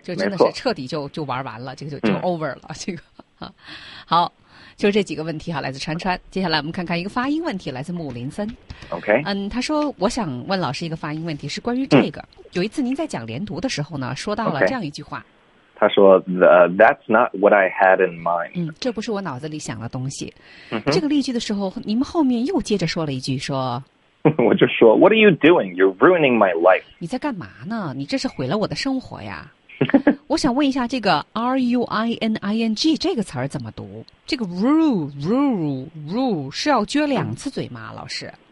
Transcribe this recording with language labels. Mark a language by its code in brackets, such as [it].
[zh] 就真的是彻底就玩完了，这个就 over 了，这个好。就这几个问题哈，来自川川。接下来我们看看一个发音问题，来自木林森。 OK，嗯，他说我想问老师一个发音问题，是关于这个。有一次您在讲连读的时候呢，说到了这样一句话。 Okay. 他说 [en] ，That's not what I had in mind。 [zh] 嗯，这不是我脑子里想的东西。 Mm-hmm. 这个例句的时候，你们后面又接着说了一句说。我就说 [en] ，What are you doing? You're ruining my life。 [zh] 你在干嘛呢？你这是毁了我的生活呀。我想问一下这个 ruining 这个词儿怎么读，这个 ru 是要撅两次嘴吗老师？